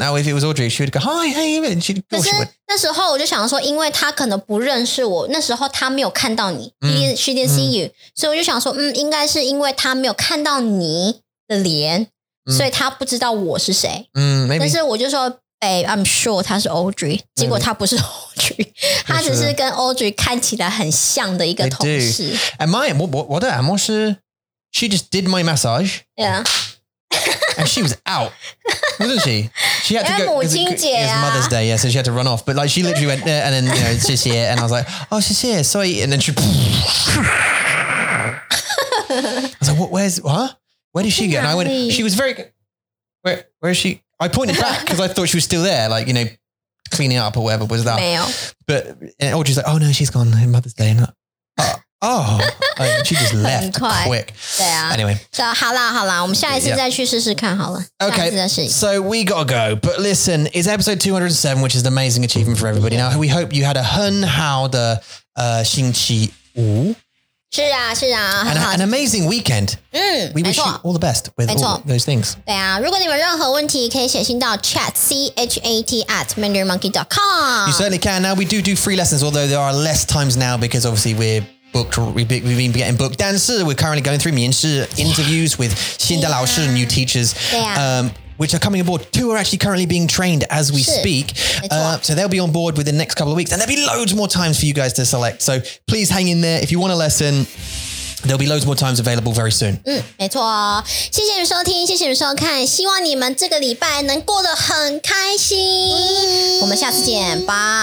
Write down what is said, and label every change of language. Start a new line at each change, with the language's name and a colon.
English: Now, if it was Audrey, she would go, hi, hey, and she'd go, she would.
Chinese: 那时候我就想说，因为他可能不认识我，那时候他没有看到你、mm.
English: She didn't see you、mm.
Chinese: 所以我就想说、嗯、应该是因为他没有看到你的脸、mm. 所以他不知道我是谁、
English: mm, maybe.
Chinese: 但是我就说
English: Babe, I'm sure
Chinese: 他是 Audrey、
English: maybe.
Chinese: 结果他不是 Audrey、maybe. 他只是跟 Audrey 看起来很像的一个同事
English: Am I,
Chinese: 我的
English: Amor 是 She just did my massage Yeah And she was out, wasn't she? She had to go. It was Mother's Day, yeah, so she had to run off. But like, she literally went there, and then you know, it's just here, and I was like, "Oh, she's here, sorry." And then she, I was like, "What? Where's what? Huh? Where did she go?" And I went. She was very. Where is she? I pointed back because I thought she was still there, like you know, cleaning up or whatever was that. But and Audrey's like, "Oh no, she's gone. Mother's Day, not." Oh, she just left quick. Anyway.
Chinese: So, 好啦好啦我们下一次再去试试看好了。
English: Okay, so we got to go. But listen, it's episode 207, which is an amazing achievement for everybody. Now, we hope you had a
Chinese: 很好的星期五。是啊是啊
English: An amazing weekend. We wish you all the best with all those things.
Chinese: 对啊如果你们任何问题可以写信到 chat@mandarinmonkey.com.
English: You certainly can. Now, we do free lessons, although there are less times now because obviously we've been getting booked.
Chinese: 但是
English: we're currently going through
Chinese: 面试
English: interviews with
Chinese: 新的老师
English: new teachers, which are coming aboard. Two are actually currently being trained as we speak. So they'll be on board within the next couple of weeks. And there'll be loads more times for you guys to select. So please hang in there. If you want a lesson, there'll be loads more times available very soon.
Chinese: 没错哦。谢谢你们收听，谢谢你们收看。希望你们这个礼拜能过得很开心。我们下次见，拜。